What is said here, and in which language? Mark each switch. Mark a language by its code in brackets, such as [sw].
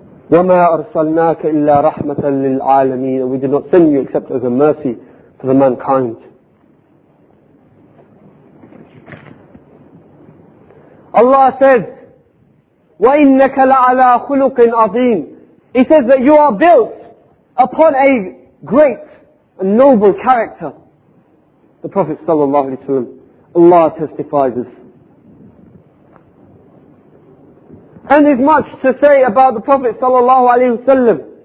[ar] وَمَا أَرْسَلْنَاكَ إِلَّا رَحْمَةً لِلْعَالَمِينَ. [en] We did not send you except as a mercy for the mankind. Allah said, [ar] وَإِنَّكَ لَعَلَىٰ خُلُقٍ عَظِيمٍ. [en] He says that you are built upon a great and noble character. The Prophet sallallahu alaihi wasallam, Allah testifies. And there's much to say about the Prophet sallallahu alaihi wasallam.